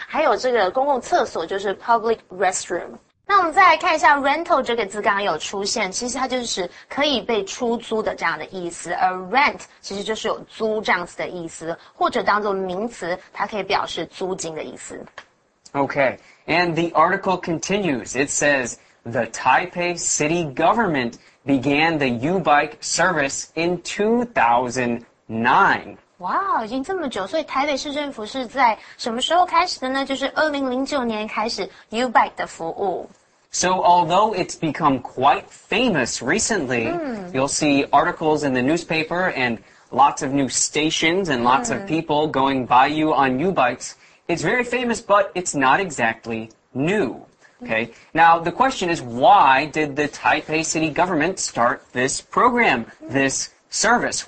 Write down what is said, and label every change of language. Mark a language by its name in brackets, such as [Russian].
[Chinese] 还有这个公共厕所，就是 public restroom。那我们再来看一下 rental 这个字，刚刚有出现，其实它就是可以被出租的这样的意思。而 rent 其实就是有租这样子的意思，或者当做名词，它可以表示租金的意思。 [English] Okay, and the article continues. It says the Taipei city government began the U-bike service in 2009. [Chinese] 哇，已经这么久，所以台北市政府是在什么时候开始的呢？就是2009年开始 U-bike 的服务。 [English] So, although it's become quite famous recently, you'll see articles in the newspaper and lots of new stations and lots of people going by you on U-bikes. It's very famous, but it's not exactly new. Okay. Now, the question is, why did the Taipei City government start this program, this service?